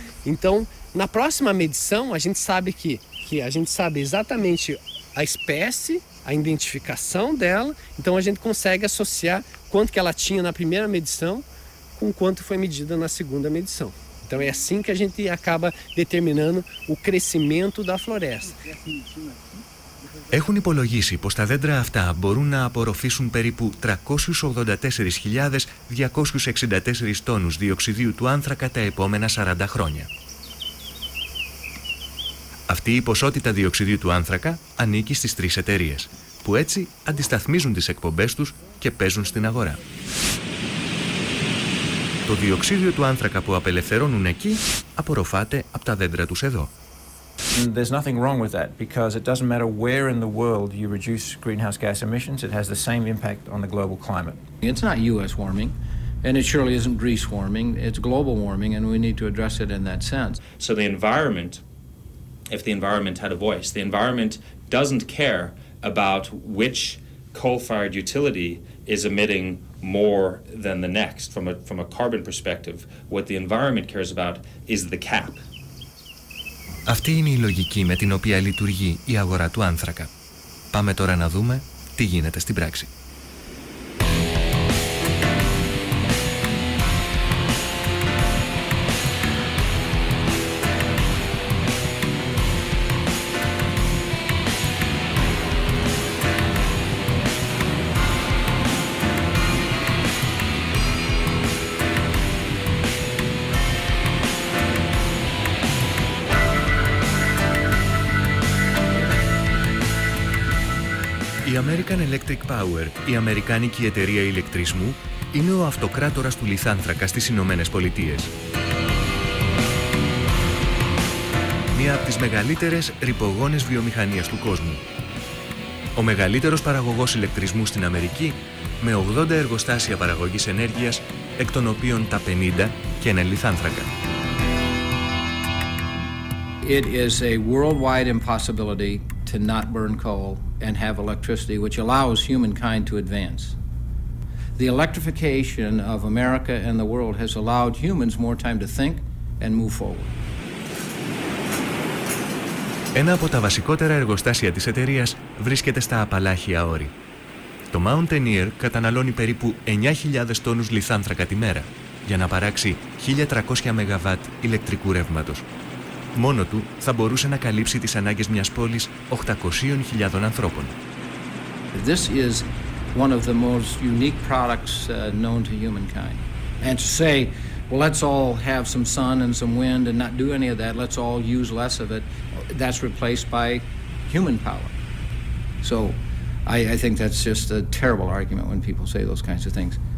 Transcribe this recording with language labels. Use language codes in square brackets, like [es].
[pt] Então, na próxima medição, a gente sabe que a gente sabe exatamente a espécie, a identificação dela, então a gente consegue associar quanto que ela tinha na primeira medição com quanto foi medida na segunda medição. Então é assim que a gente acaba determinando o crescimento da floresta. [el] Έχουν υπολογίσει πως τα δέντρα αυτά μπορούν να απορροφήσουν περίπου 384.264 τόνους διοξιδίου του άνθρακα τα επόμενα 40 χρόνια. Αυτή η ποσότητα διοξιδίου του άνθρακα ανήκει στις τρεις εταιρείες, που έτσι αντισταθμίζουν τις εκπομπές τους και παίζουν στην αγορά. Το διοξίδιο του άνθρακα που απελευθερώνουν εκεί απορροφάται από τα δέντρα τους εδώ. [en] And there's nothing wrong with that because it doesn't matter where in the world you reduce greenhouse gas emissions, it has the same impact on the global climate. It's not US warming, and it surely isn't Greece warming. It's global warming, and we need to address it in that sense. So the environment, if the environment had a voice, the environment doesn't care about which coal-fired utility is emitting more than the next from a carbon perspective. What the environment cares about is the cap. [el] Αυτή είναι η λογική με την οποία λειτουργεί η αγορά του άνθρακα. Πάμε τώρα να δούμε τι γίνεται στην πράξη. American Electric Power, η Αμερικάνικη εταιρεία ηλεκτρισμού, είναι ο αυτοκράτορας του λιθάνθρακα στις Ηνωμένες Πολιτείες. Μία από τις μεγαλύτερες ρυπογόνες βιομηχανίες του κόσμου. Ο μεγαλύτερος παραγωγός ηλεκτρισμού στην Αμερική, με 80 εργοστάσια παραγωγής ενέργειας, εκ των οποίων τα 50 και ένα λιθάνθρακα. [en] It is a worldwide impossibility to not burn coal and have electricity, which allows humankind to advance. The electrification of America and the world has allowed humans more time to think and move forward. [el] Ένα από τα βασικότερα εργοστάσια της εταιρείας βρίσκεται στα Απαλάχια Όρη. Το Mountaineer καταναλώνει περίπου 9.000 τόνους λιθάνθρακα τη μέρα για να παράξει 1.300 μεγαβάτ ηλεκτρικού ρεύματος. Μόνο του θα μπορούσε να καλύψει τις ανάγκες μιας πόλης 800.000 ανθρώπων. [en] This is one of the most unique products known to humankind. And to say, well, let's all have some sun and some wind and not do any of that, let's all use less of it, that's replaced by human power. So I think that's just a terrible argument when people say those kinds of things.